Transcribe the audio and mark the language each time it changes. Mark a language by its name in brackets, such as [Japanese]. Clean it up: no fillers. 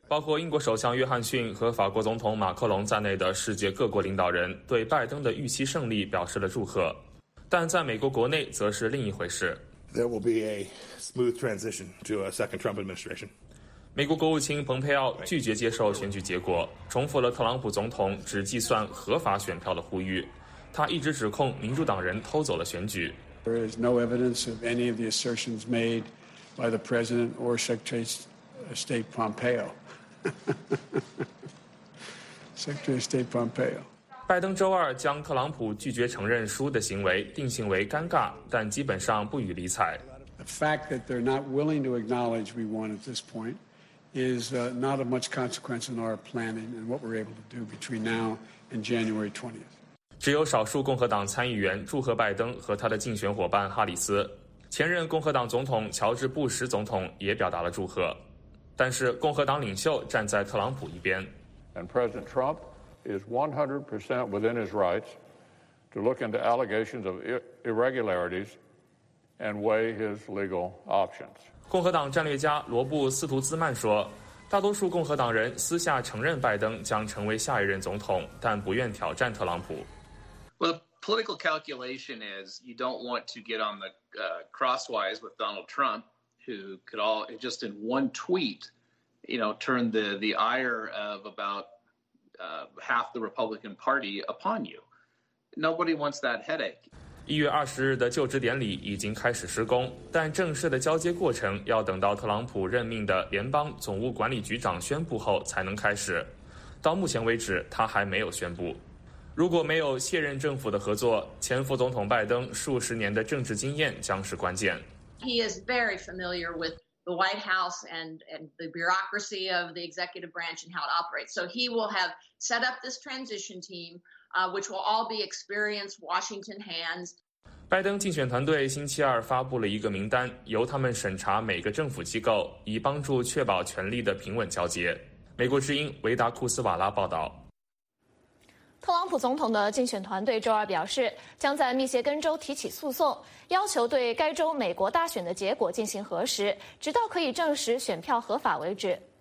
[Chinese] 包括英国首相约翰逊和法国总统马克龙在内的世界各国领导人对拜登的预期胜利表示了祝贺，但在美国国内则是另一回事。 [English] There will be a smooth transition to a second Trump administration. [Chinese] 美国国务卿蓬佩奥拒绝接受选举结果，重复了特朗普总统只计算合法选票的呼吁。他一直指控民主党人偷走了选举。 [English] There is no evidence of any of the assertions made by the president or Secretary of State Pompeo. Secretary of State Pompeo. [Chinese] 拜登周二将特朗普拒绝承认输的行为定性为尴尬，但基本上不予理睬。 [English] The fact that they're not willing to acknowledge we won at this point is not of much consequence in our planning and what we're able to do between now and January 20th. [Chinese] 只有少数共和党参议员祝贺拜登和他的竞选伙伴哈里斯，前任共和党总统乔治·布什总统也表达了祝贺，但是共和党领袖站在特朗普一边。 [English] And President Trump is 100% within his rights to look into allegations of irregularities and weigh his legal options. [Chinese] 共和党战略家罗布·斯图兹曼说，大多数共和党人私下承认拜登将成为下一任总统，但不愿挑战特朗普。 [English] Well, the political calculation is you don't want to get on the crosswise with Donald Trump, who could all just in one tweet, you know, turn the ire of about half the Republican Party upon you. Nobody wants that headache. [Chinese] 1月20日的就职典礼已经开始施工，但正式的交接过程要等到特朗普任命的联邦总务管理局长宣布后才能开始。到目前为止，他还没有宣布。如果没有卸任政府的合作，前副总统拜登数十年的政治经验将是关键。 [English] He is very familiar with the White House and the bureaucracy of the executive branch and how it operates. So he will have set up this transition team, which will all be experienced Washington hands. [Chinese] 拜登竞选团队星期二发布了一个名单，由他们审查每个政府机构，以帮助确保权力的平稳交接。美国之音维达库斯瓦拉报道。特朗普总统的竞选团队周二表示，将在密歇根州提起诉讼，要求对该州美国大选的结果进行核实，直到可以证实选票合法为止。